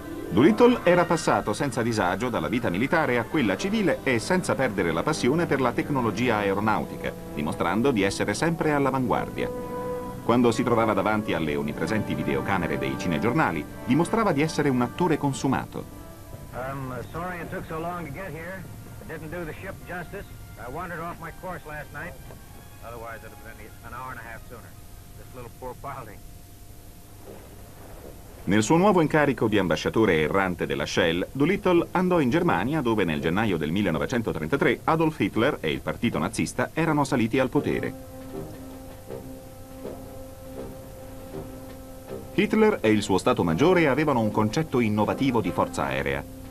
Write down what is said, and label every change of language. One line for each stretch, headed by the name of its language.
Italian: Doolittle era passato senza disagio dalla vita militare a quella civile e senza perdere la passione per la tecnologia aeronautica, dimostrando di essere sempre all'avanguardia. Quando si trovava davanti alle onnipresenti videocamere dei cinegiornali, dimostrava di essere un attore consumato.
English: Sorry it took so long to get here. It didn't do the ship justice. I wandered off my course last night. Otherwise it'd have been an hour and a half sooner. This little poor piloting.
Italian: Nel suo nuovo incarico di ambasciatore errante della Shell, Doolittle andò in Germania dove nel gennaio del 1933 Adolf Hitler e il partito nazista erano saliti al potere. Hitler e il suo stato maggiore avevano un concetto innovativo di forza aerea.